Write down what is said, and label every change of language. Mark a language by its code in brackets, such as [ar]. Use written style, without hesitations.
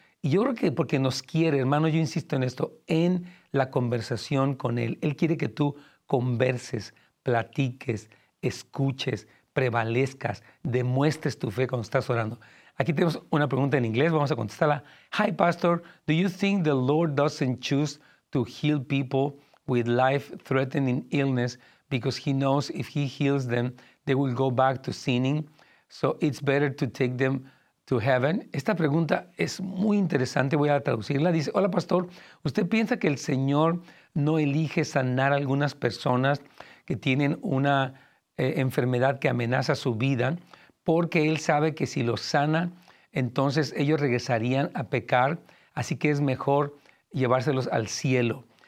[es] Y yo creo que porque nos quiere, hermano, yo insisto en esto, en la conversación con Él. Él quiere que tú converses, platiques, escuches, prevalezcas, demuestres tu fe cuando estás orando. Aquí tenemos una pregunta en inglés, vamos a contestarla. [en] Hi, Pastor, do you think the Lord doesn't choose to heal people with life-threatening illness because he knows if he heals them, they will go back to sinning, so it's better to take them to heaven? [es] Esta pregunta es muy interesante, voy a traducirla. Dice, hola pastor, ¿usted piensa que el Señor no elige sanar a algunas personas que tienen una enfermedad que amenaza su vida porque él sabe que si los sana, entonces ellos regresarían a pecar, así que es mejor llevárselos al cielo?